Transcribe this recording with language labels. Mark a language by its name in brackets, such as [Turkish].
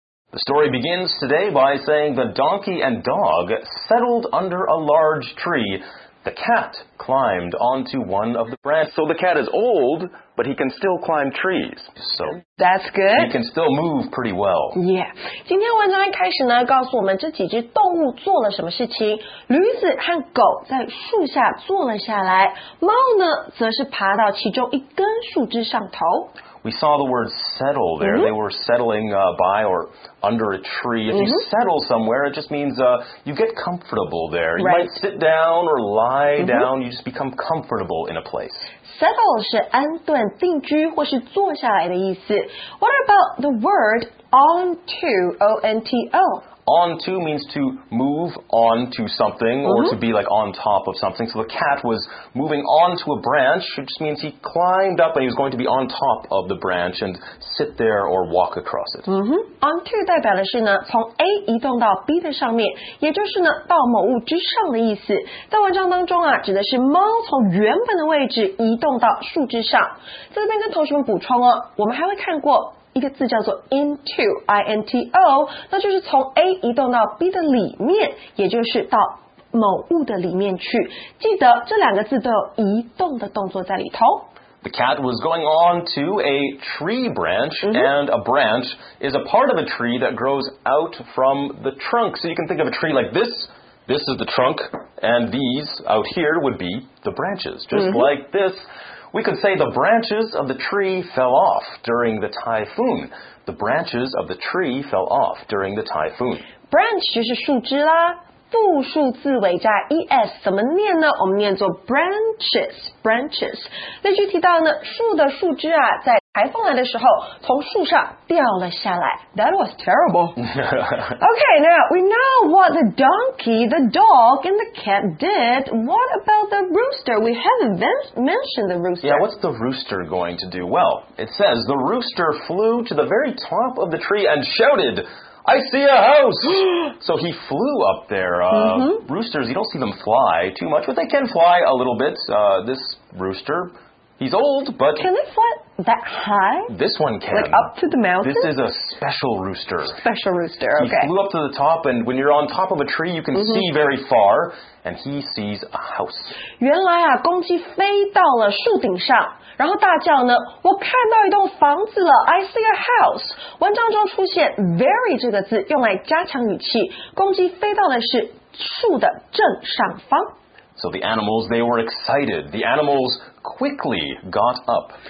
[English] The story begins today by saying the donkey and dog settled under a large tree. The cat climbed onto one of the branches. So the cat is old, but he can still climb trees. So that's good. He can still move pretty well. Yeah. [Chinese] 今天文章一开始呢，告诉我们这几只动物做了什么事情。驴子和狗在树下坐了下来，猫呢，则是爬到其中一根树枝上头。 [English] We saw the word settle there. Mm-hmm. They were settling by or under a tree. If you settle somewhere, it just means you get comfortable there. Right. You might sit down or lie down. You just become comfortable in a place. [Chinese] Settle 是安顿、定居或是坐下来的意思。 [English] What about the word onto, O-N-T-O? Onto means to move onto something or to be like on top of something. So the cat was moving onto a branch, which means he climbed up and he was going to be on top of the branch and sit there or walk across it. [Chinese] Onto 代表的是呢从 A 移动到 B 的上面，也就是呢到某物之上的意思。在文章当中啊，指的是猫从原本的位置移动到树枝上。在这边跟同学们补充哦，我们还会看过一个字叫做 into, I-N-T-O, 那就是从 A 移动到 B 的里面，也就是到某物的里面去。记得这两个字都有移动的动作在里头。 [English] The cat was going on to a tree branch, mm-hmm. and a branch is a part of a tree that grows out from the trunk. So you can think of a tree like this. This is the trunk, and these out here would be the branches. Just mm-hmm. like this, we could say the branches of the tree fell off during the typhoon. The branches of the tree fell off during the typhoon. [Chinese] Branch 就是树枝啦。复数字尾加 es 怎么念呢？我们念作 branches, branches。例句提到呢，树的树枝啊，在台风来的时候从树上掉了下来。 [English] That was terrible. Okay, now we know what the donkey, the dog, and the cat did. What about the rooster? We haven't mentioned the rooster. Yeah, what's the rooster going to do? Well, it says the rooster flew to the very top of the tree and shouted. I see a house! So he flew up there. Roosters, you don't see them fly too much, but they can fly a little bit. This rooster, he's old, but... Can they fly that high? This one can. Like up to the mountain? This is a special rooster. Special rooster, okay. He flew up to the top, and when you're on top of a tree, you can mm-hmm. see very far, and he sees a house. [Chinese] 原来啊，公鸡飞到了树顶上。然后大叫呢，我看到一栋房子了 ， [English] I see a house。 [Chinese] 文章中出现 very 这个字，用来加强语气。公鸡飞到的是树的正上方。 [English] So the animals, they were excited. The animals quickly got up.